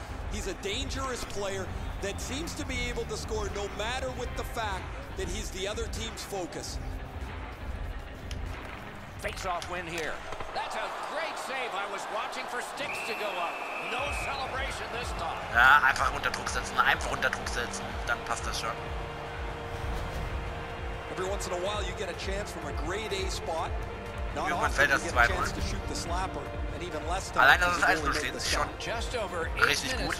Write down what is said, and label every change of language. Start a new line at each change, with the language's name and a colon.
English: He's a dangerous player that seems to be able to score no matter with the fact that he's the other team's focus. Face-off win here. That's a great save. I was watching for sticks to go up. No celebration this time.
German: Ja, einfach unter Druck setzen. Einfach unter Druck setzen. Dann passt das schon.
English: Every once in a while you get a chance from a grade A spot. Not often you get a chance to shoot the slapper.
German: Allein, dass das Eis nur steht, ist schon richtig gut.